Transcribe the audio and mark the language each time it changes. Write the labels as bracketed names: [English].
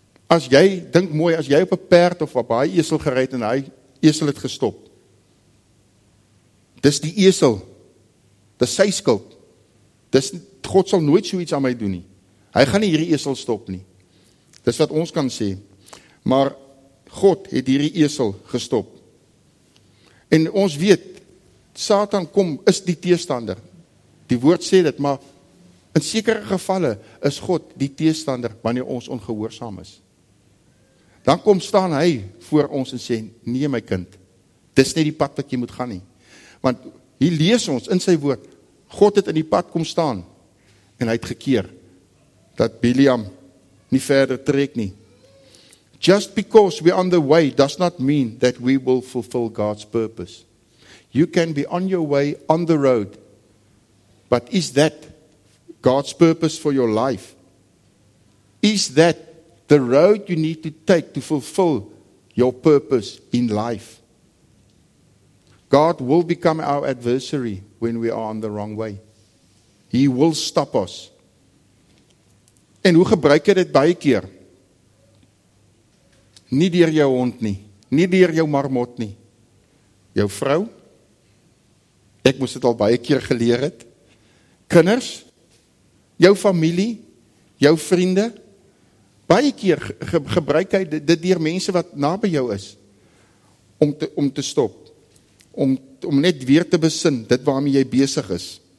[Afrikaans] As jy, dink mooi, as jy op 'n perd of op 'n esel gery het en hy esel het gestop, dis die esel, dis sy skuld. Dis, God sal nooit so iets aan my doen nie. Hy gaan nie hierdie esel stop nie. Dis wat ons kan sê. Maar God het hierdie esel gestop. En ons weet, Satan kom, is die teestander. Die woord sê dit, maar in sekere gevalle is God die teestander wanneer ons ongehoorsaam is. Dan kom staan hy voor ons en sê, nee my kind, dis nie die pad wat jy moet gaan nie. Want hier lees ons in sy woord, God het in die pad kom staan en hy het gekeer dat Bileam nie verder trek nie. [English] Just because we're on the way does not mean that we will fulfill God's purpose. You can be on your way, on the road, but is that God's purpose for your life? Is that the road you need to take to fulfill your purpose in life? God will become our adversary when we are on the wrong way. He will stop us. [Afrikaans] En hoe gebruik jy dit baie keer? Nie deur jou hond nie, nie deur jou marmot nie. Jou vrou, Ek moes dit al baie keer geleer het. Kinders, jou familie, jou vriende, baie keer gebruik hy dit deur mense wat na by jou is, om te stop, om net weer te besin, dit waarmee jy besig is.